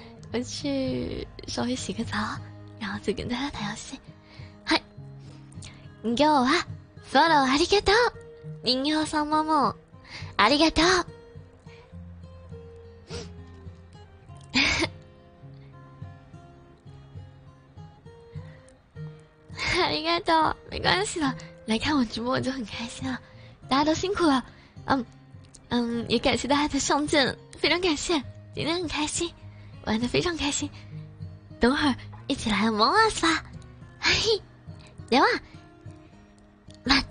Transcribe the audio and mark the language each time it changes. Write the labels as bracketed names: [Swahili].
[Chinese] 我去稍微洗个澡，然后再跟大家打游戏。 [Japanese] 嗨，今日はフォローありがとう。人形さんもありがとう。 [Chinese] 应该的，没关系的，来看我直播我就很开心了，大家都辛苦了。也感谢大家的上阵，非常感谢，今天很开心，玩得非常开心，等会儿一起来萌娃吧。嘿嘿，来吧， [Japanese] また明日に。じゃあな。